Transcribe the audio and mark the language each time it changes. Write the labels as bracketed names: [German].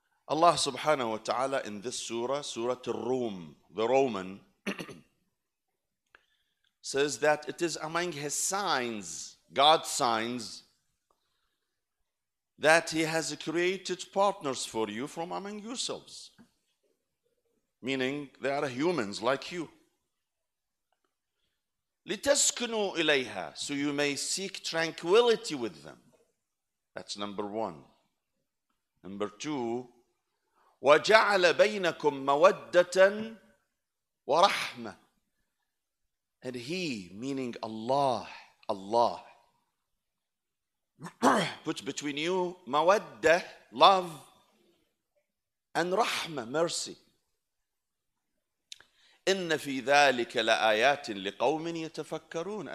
[Arabic] الله سبحانه وتعالى [English] in this surah, Surah Ar-Rum, the Roman, says that it is among his signs, God's signs, that he has created partners for you from among yourselves. Meaning they are humans like you. [Arabic] لِتَسْكُنُوا إِلَيْهَا, [English] so you may seek tranquility with them. That's number one. Number two, [Arabic] وَجَعَلَ بَيْنَكُمْ مَوَدَّةً وَرَحْمَةً. [English] And he, meaning Allah, Allah, put between you مَوَدَّة, love, and رَحْمَة, mercy. [Arabic] إِنَّ فِي ذَٰلِكَ لَآيَاتٍ لِقَوْمٍ يَتَفَكَّرُونَ.